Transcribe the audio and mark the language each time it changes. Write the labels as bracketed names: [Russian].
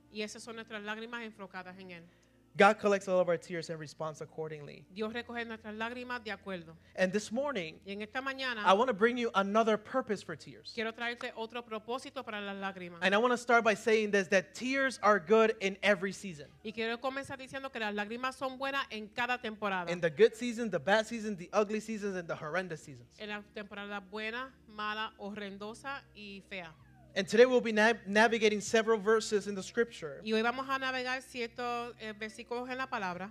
[Spanish] Y esas son nuestras lágrimas enfocadas en él. [English] God collects all of our tears and responds accordingly. [Spanish] Dios recoge nuestras lágrimas de acuerdo. [English] And this morning, [Spanish] y en esta mañana, [English] I want to bring you another purpose for tears. [Spanish] Quiero traerte otro propósito para las lágrimas. [English] And I want to start by saying this, that tears are good in every season. [Spanish] Y quiero comenzar diciendo que las lágrimas son buenas en cada temporada. [English] In the good season, the bad season, the ugly seasons, and the horrendous seasons. [Spanish] En la temporada buena, mala, horrendosa y fea. [English] And today we'll be navigating several verses in the scripture [Spanish] y hoy vamos a navegar ciertos versículos en la palabra